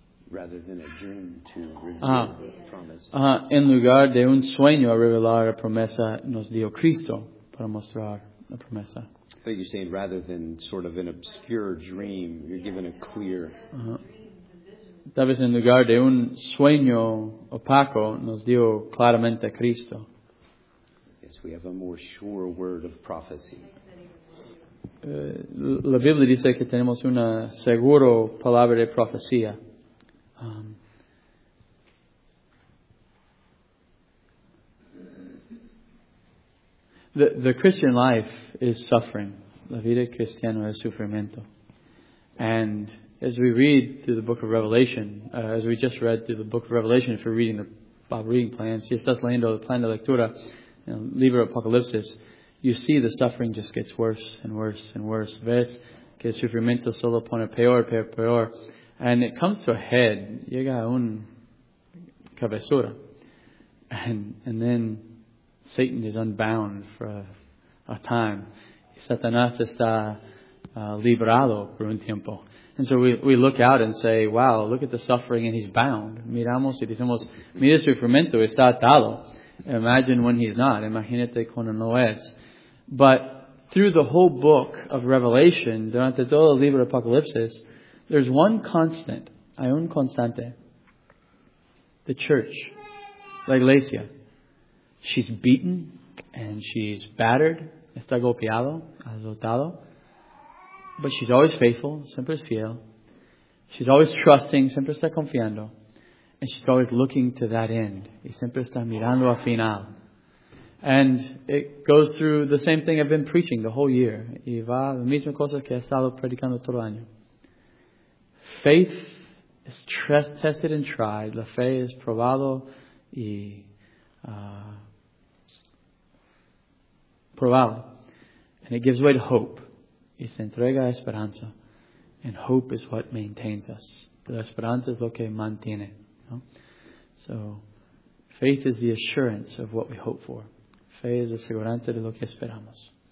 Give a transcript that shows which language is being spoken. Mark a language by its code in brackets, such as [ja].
[en] Rather than a dream to promise. [es] En lugar de un sueño a revelar la promesa, nos dio Cristo para mostrar la promesa. [en] I think you're saying rather than sort of an obscure dream, you're given a clear. [es] Tal vez en lugar de un sueño opaco, nos dio claramente Cristo. [en] Yes, we have a more sure word of prophecy. [es] La Biblia dice que tenemos una seguro palabra de profecía. [en] The Christian life is suffering. [es] La vida cristiana es sufrimiento. [en] And as we read through the book of Revelation, as we just read through the book of Revelation, if you're reading the Bible reading plan, [es] si estás leyendo el plan de lectura, el libro de Apocalipsis, [en] you see the suffering just gets worse and worse and worse. [es] Ves que el sufrimiento solo pone peor, peor, peor. [en] And it comes to a head. [es] Llega a un cabezura. [en] And then Satan is unbound for a time. [es] Satanás está librado por un tiempo. [en] And so we look out and say, wow, look at the suffering, and he's bound. [es] Miramos y decimos, mira su sufrimiento, está atado. [en] Imagine when he's not. [es] Imagínate cuando no es. [en] But through the whole book of Revelation, [es] durante todo el libro de Apocalipsis, [en] there's one constant, [es] hay un constante, [en] the church, [es] la iglesia. [en] She's beaten and she's battered, [es] está golpeado, azotado. [en] But she's always faithful, [es] siempre es fiel. [en] She's always trusting, [es] siempre está confiando. [en] And she's always looking to that end. [es] Y siempre está mirando al final. [en] And it goes through the same thing I've been preaching the whole year. [es] Y va la misma cosa que he estado predicando todo año. [en] Faith is tested and tried. [es] La fe es probado y probado. [en] And it gives way to hope. [es] Y se entrega a esperanza. [en] And hope is what maintains us. [es] La esperanza es lo que mantiene. No? [en] So, faith is the assurance of what we hope for. [es] Fe es la seguridad de lo que esperamos.